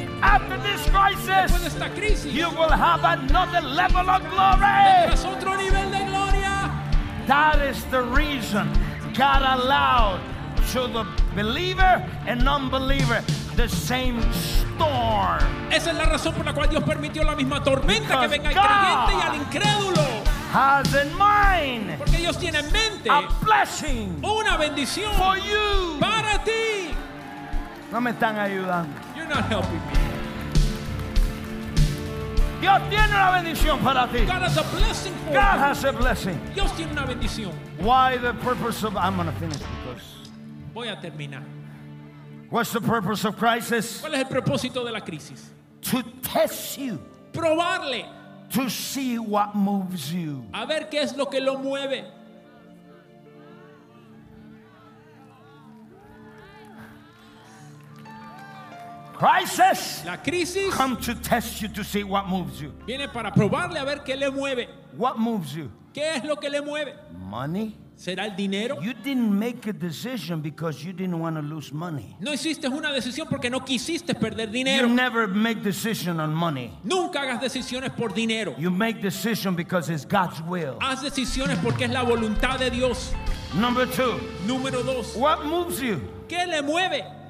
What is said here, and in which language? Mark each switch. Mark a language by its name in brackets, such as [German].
[English] after this crisis, [Spanish] después de esta crisis, [English] you will have another level of glory. [Spanish] Tendrás otro nivel de gloria. [English] That is the reason God allowed to the believer and non-believer the same storm. [Spanish] Esa es la razón por la cual Dios permitió la misma tormenta que venga al creyente y al incrédulo. [English] Has in mind, [Spanish] porque Dios tiene en mente, [English] a blessing, [Spanish] una bendición, [English] for you, [Spanish] para ti. No me están ayudando. [English] You're not helping me. [Spanish] Dios tiene una bendición para ti. [English] God has a blessing for God you. God has a blessing. [Spanish] Dios tiene una bendición. [English] Why the purpose of? I'm going to finish because. [Spanish] Voy a terminar. [English] What's the purpose of crisis? [Spanish] ¿Cuál es el propósito de la crisis? [English] To test you. [Spanish] Probarle. [English] To see what moves you. [Spanish] A ver qué es lo que lo mueve. [English] Crisis. [Spanish] La crisis. [English] Come to test you to see what moves you. [Spanish] Viene para probarle a ver qué le mueve. [English] What moves you? [Spanish] ¿Qué es lo que le mueve? [English] Money. [Spanish] ¿Será el dinero? [English] You didn't make a decision because you didn't want to lose money. [Spanish] No hiciste una decisión porque no quisiste perder dinero. [English] You never make decision on money. [Spanish] Nunca hagas decisiones por dinero. [English] You make decision because it's God's will. [Spanish] Haz decisiones porque es la voluntad de Dios. [English] Number two. [Spanish] Número dos. [English] What moves you? [Spanish] ¿Qué le mueve?